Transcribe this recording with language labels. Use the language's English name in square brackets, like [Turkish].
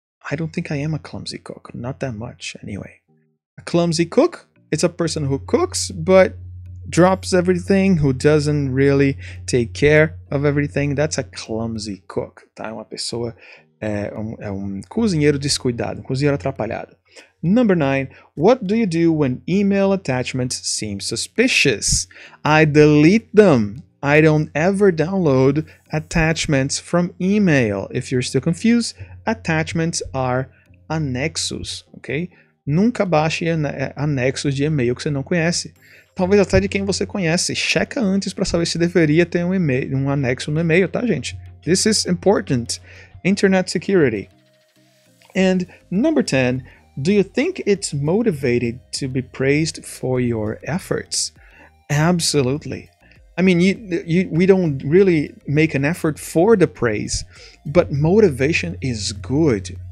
[English] I don't think I am a clumsy cook, not that much, anyway. A clumsy cook, it's a person who cooks, but drops everything, who doesn't really take care of everything. That's a clumsy cook, [Portuguese] tá? É uma pessoa, é um cozinheiro descuidado, um cozinheiro atrapalhado. [English] Number 9, what do you do when email attachments seem suspicious? I delete them. I don't ever download attachments from email. If you're still confused, attachments are anexos, ok? [Portuguese] Nunca baixe anexos de e-mail que você não conhece. Talvez até de quem você conhece. Checa antes para saber se deveria ter um anexo no e-mail, tá, gente? [English] This is important. Internet security. And number 10, do you think it's motivated to be praised for your efforts? Absolutely. I mean, we don't really make an effort for the praise, but motivation is good.